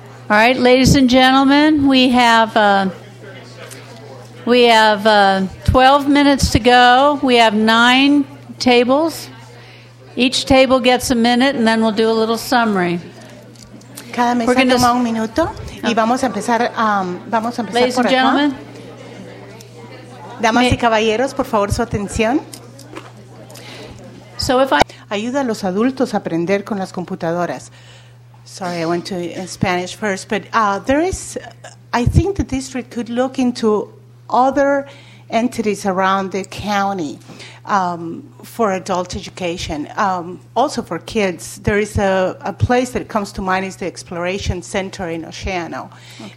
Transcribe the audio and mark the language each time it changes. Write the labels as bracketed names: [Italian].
[English] All right, ladies and gentlemen, we have 12 minutes to go. We have 9 tables. Each table gets a minute, and then we'll do a little summary. [Spanish] Cada mesa toma un minuto, y vamos a empezar. [English] Ladies [Spanish] por [English] and gentlemen, [Spanish] damas y caballeros, por favor su atención. [English] So if I [Spanish] ayuda a los adultos a aprender con las computadoras. [English] Sorry, I went to in Spanish first, but I think the district could look into other entities around the county for adult education, also for kids. There is a place that comes to mind is the Exploration Center in Oceano, okay.